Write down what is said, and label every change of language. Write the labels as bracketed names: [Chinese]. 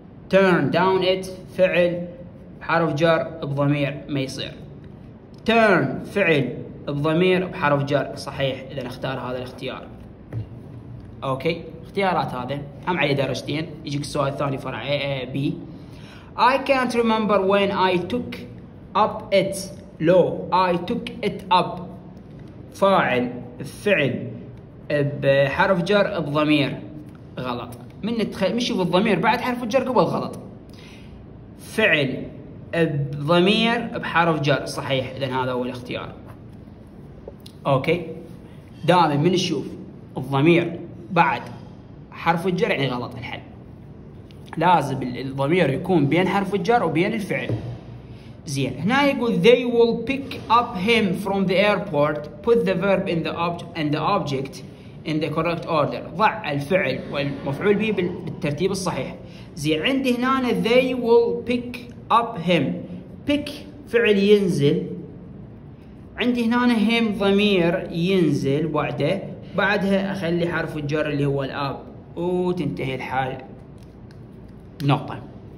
[English] Turn down it [Arabic] فعل بحرف جر بضمير ما يصير. turn فعل بضمير بحرف جر صحيح اذا اختار هذا الاختيار. اوكي اختيارات هذه هم على درجتين. يجيك السؤال الثاني فرع A-A-B. [English] I can't remember when I took up it. [Arabic] لو [English] I took it up [Arabic] فاعل فعل بحرف جر بضمير غلط. من شوف الضمير بعد حرف الجر قبل غلط. فعل بضمير بحرف جر صحيح اذا هذا هو الاختيار. اوكي دائما من نشوف الضمير بعد حرف الجر يعني غلط الحل. لازم الضمير يكون بين حرف الجر وبين الفعل. زين هنا يقول [English] they will pick up him from the airport. Put the verb in the object and the object in the correct order. [Arabic] ضع الفعل والمفعول به بالترتيب الصحيح. زين عندي هنا [English] they will pick up him. [Arabic] Pick فعل ينزل. عندي هنا him ضمير ينزل بعده. بعدها أخلي حرف الجر اللي هو الأب وتنتهي الحال نقطة.